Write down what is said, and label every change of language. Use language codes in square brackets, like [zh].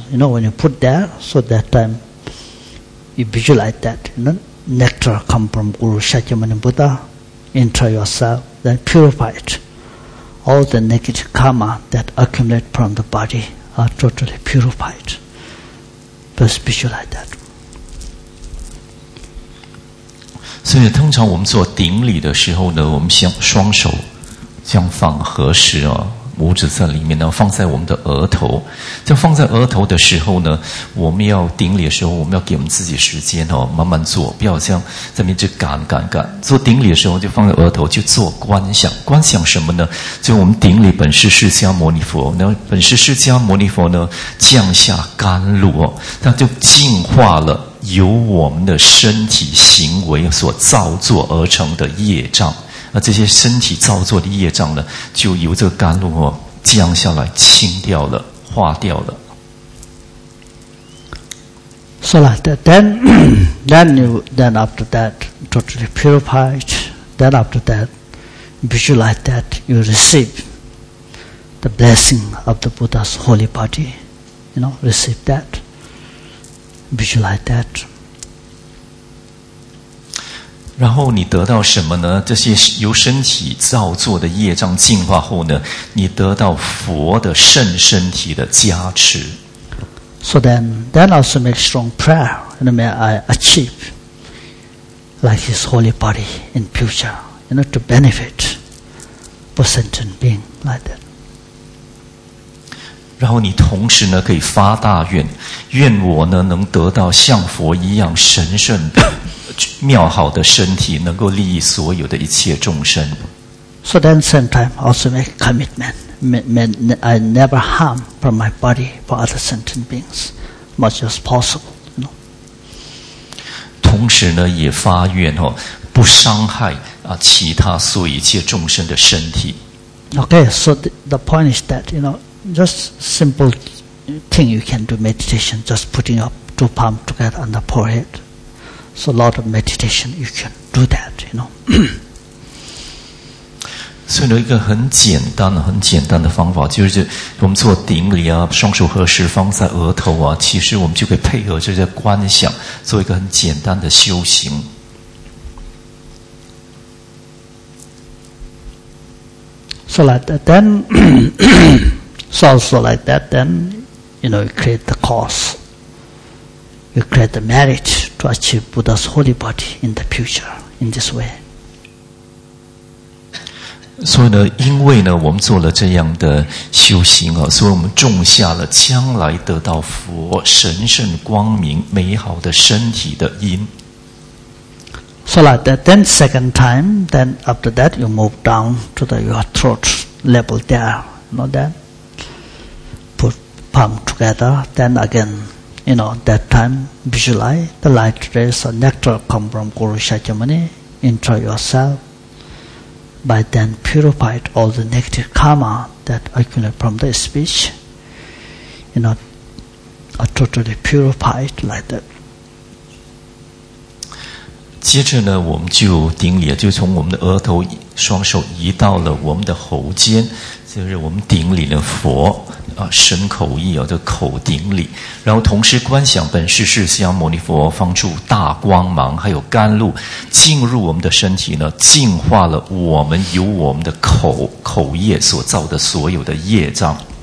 [en] You know, when you put there, so that time, you visualize that, you know, nectar come from Guru Shakyamuni Buddha, enter yourself, then purify it. All the negative karma that accumulate from the body are totally purified. Just visualize that. [zh] 所以通常我们做顶礼的时候呢，我们像双手像放合十啊，拇指在里面呢，放在我们的额头。在放在额头的时候呢，我们要顶礼的时候，我们要给我们自己时间哦，慢慢做，不要像在那边就赶。做顶礼的时候就放在额头，就做观想。观想什么呢？就我们顶礼本师释迦牟尼佛。那本师释迦牟尼佛呢，降下甘露哦，那就净化了。由我们的身体行为所造作而成的业障，那这些身体造作的业障呢，就由这个甘露哦降下来清掉了，化掉了。 [en] So like that, then after that totally purified, then after that visualize that you receive the blessing of the Buddha's holy body, you know, receive that. Visualize that. [zh] 然后你得到什么呢？这些由身体造作的业障净化后呢，你得到佛的圣身体的加持。 [en] So then also make strong prayer, and may I achieve like His holy body in future, you know, to benefit for sentient being like that. [zh] 然后你同时呢可以发大愿，愿我呢能得到像佛一样神圣的妙好的身体，能够利益所有的一切众生。 [en] So then same time also make commitment, I never harm from my body for other sentient beings, much as possible. You know? [zh] 同时呢也发愿哦，不伤害啊其他所有一切众生的身体。 [en] Okay, so the point is that you know. Just simple thing you can do meditation, just putting up two palms together on the forehead. So a lot of meditation, you can do that, you know. [zh] 所以呢，一个很简单、很简单的方法，就是我们做顶礼啊，双手合十放在额头啊，其实我们就可以配合这些观想，做一个很简单的修行。 [en] So like that, then. So also like that, then, you know, you create the cause. You create the merit to achieve Buddha's holy body in the future, in this way. [zh] 所以呢，因为呢，我们做了这样的修行啊，所以我们种下了将来得到佛神圣光明美好的身体的因。 [en] So like that, then second time, then after that, you move down to the, your throat level there, you know that? Palm together, then again, you know, that time, visualize the light rays or nectar come from Guru Shakyamuni into yourself. By then, purified all the negative karma that accumulate from the speech, you know, are totally purified like that. [zh] 接着呢，我们就顶礼，就从我们的额头双手移到了我们的喉间，就是我们顶礼了佛啊，神口意啊，这口顶礼。然后同时观想本师释迦牟尼佛放出大光芒，还有甘露进入我们的身体呢，净化了我们由我们的口业所造的所有的业障。